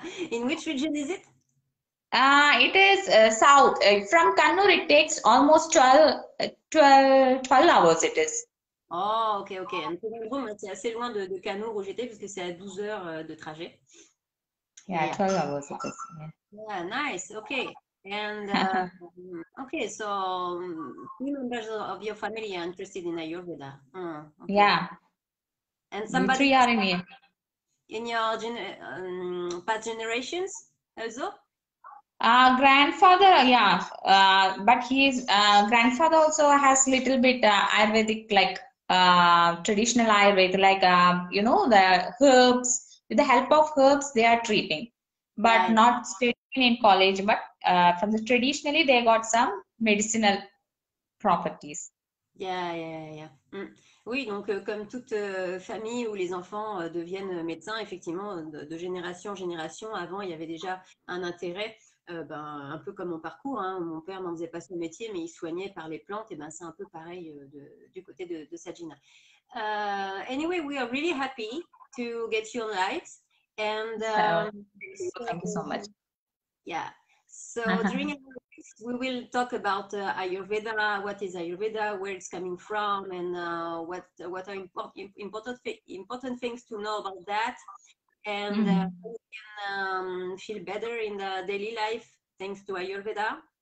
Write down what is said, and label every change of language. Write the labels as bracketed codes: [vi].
[en] In which region is it? It is south. From Kannur, it takes almost 12 hours, it is. Oh, ok. [fr] Trivandrum, c'est assez loin de Kannur où j'étais, puisque c'est à 12 heures de trajet. [en] Yeah, 12 hours, it is. Yeah, nice, ok. And, so three members of your family are interested in Ayurveda. Okay. Yeah. And somebody three are in your past generations also? Grandfather, yeah. But his grandfather also has little bit Ayurvedic, like traditional Ayurvedic, like, you know, the herbs. With the help of herbs, they are treating. But yeah, not studying in college, but from the traditionally, they got some medicinal properties. Yeah. Mm. [fr] Oui, donc comme toute famille où les enfants deviennent médecins, effectivement, de génération en génération, avant, il y avait déjà un intérêt, un peu comme mon parcours, hein. Mon père n'en faisait pas son métier, mais il soignait par les plantes, et c'est un peu pareil du côté de Sajina. [en] Anyway, we are really happy to get you on live. And, thank you so much. Yeah. So during our weeks, we will talk about Ayurveda, what is Ayurveda, where it's coming from, and what are important things to know about that, and how we can feel better in the daily life thanks to Ayurveda.